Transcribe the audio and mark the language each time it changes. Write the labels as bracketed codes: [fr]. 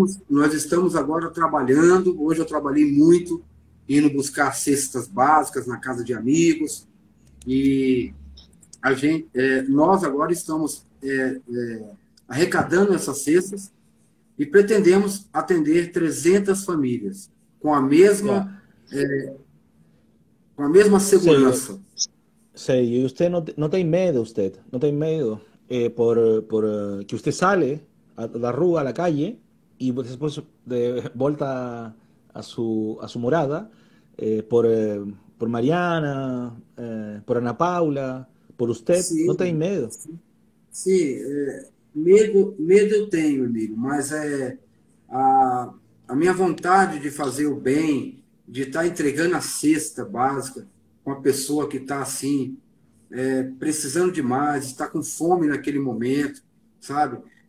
[pt] nós estamos agora trabalhando. Hoje eu trabalhei muito, indo buscar cestas básicas na casa de amigos, e nós agora estamos arrecadando essas cestas. E pretendemos atender 300 famílias com a mesma Sei, segurança. sei, e você não tem medo, você não tem medo. [es] Por que usted sale a la rua, a la calle, y después de vuelta a su morada, por Mariana, por Ana Paula, por usted, no tiene miedo. [pt] Medo eu tenho, Emílio, mas a minha vontade de fazer o bem, de estar entregando a cesta básica com a pessoa que está assim, precisando demais, está com fome naquele momento, sabe?